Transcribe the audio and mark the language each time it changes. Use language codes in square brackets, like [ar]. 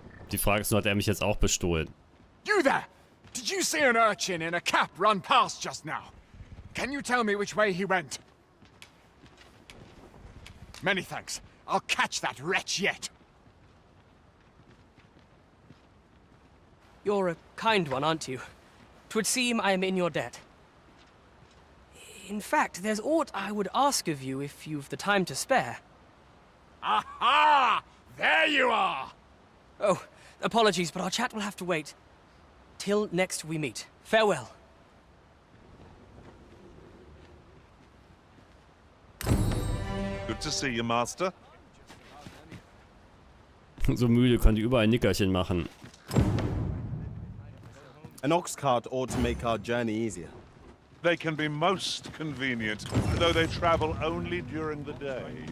[de] Die Frage ist nur, hat mich jetzt auch bestohlen? [en] You there! Did you see an urchin in a cap run past just now? Can you tell me which way he went? Many thanks. I'll catch that wretch yet. You're a kind one, aren't you? T'would seem I am in your debt. In fact, there's aught I would ask of you if you've the time to spare. Aha! There you are! Oh, apologies, but our chat will have to wait. Till next we meet. Farewell. Good to see you, Master. [de] So müde, könnt ihr überall ein Nickerchen machen. [en] An ox cart ought to make our journey easier. They can be most convenient, though they travel only during the day.